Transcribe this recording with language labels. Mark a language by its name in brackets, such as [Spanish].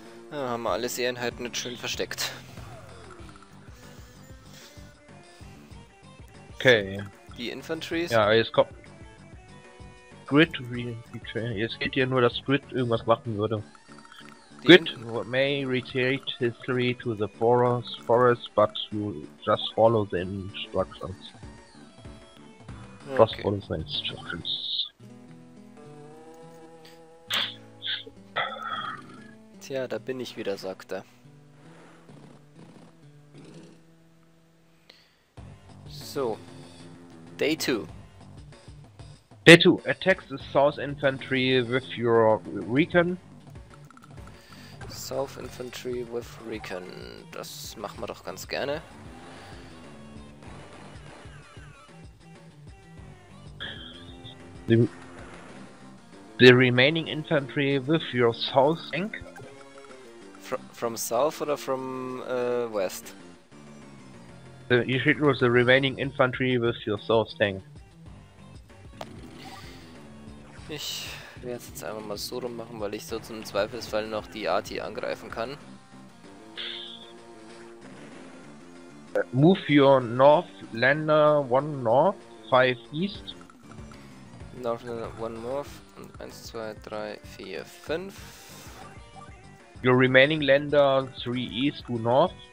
[German] Ja, haben wir alle Seeeinheiten nicht schön versteckt. Okay. Die Infanteries. Ja, jetzt kommt Grid. Jetzt geht hier nur, dass Grid irgendwas machen würde. [English] Grid may retreat history to the forest, but you just follow the instructions. Just okay. Follow the instructions. [German] Tja, da bin ich wieder, sagt er. [English] So, Day 2. Day 2. Attack the South Infantry with your recon. South Infantry with Recon. [German] Das machen wir doch ganz gerne. [English] The remaining infantry with your south tank. From south oder from west? You should use the remaining infantry with your south tank. [German] Ich werde es jetzt einfach mal so rum machen, weil ich so zum Zweifelsfall noch die Arti angreifen kann. [English] Move your north lander one north, five east. North lander one north und 1, 2, 3, 4, 5. Your remaining lander three east to north.